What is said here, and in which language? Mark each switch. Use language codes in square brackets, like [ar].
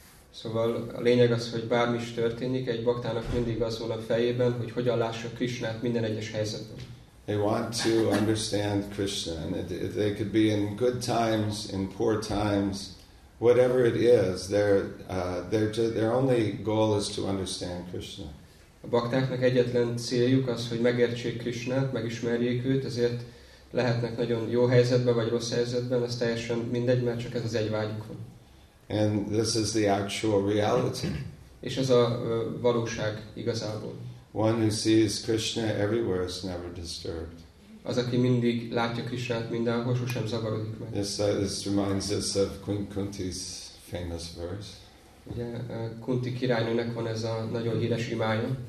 [hu] Szóval a lényeg az, hogy bármi is történik, egy baktának mindig az van a fejében, hogy hogyan lássa Krishnát minden egyes helyzetben. [en] They want to understand Krishna, and they could be in good times, in poor times. Whatever it is, their only goal is to understand Krishna. [hu] A baktáknak egyetlen céljuk az, hogy megértsék Krishnát, megismerjék őt, ezért lehetnek nagyon jó helyzetben vagy rossz helyzetben, ez teljesen mindegy, mert csak ez az egy vágyuk van. [en] And this is the actual reality. [hu] És ez a valóság igazából. [en] One who sees Krishna everywhere is never disturbed. [hu] Az, aki mindig látja Krisnát mindenhol, sosem zavarodik meg. [en] This reminds us of Queen Kunti's famous verse. [hu] Ugye, Kunti királynőnek van ez a nagyon híres imája.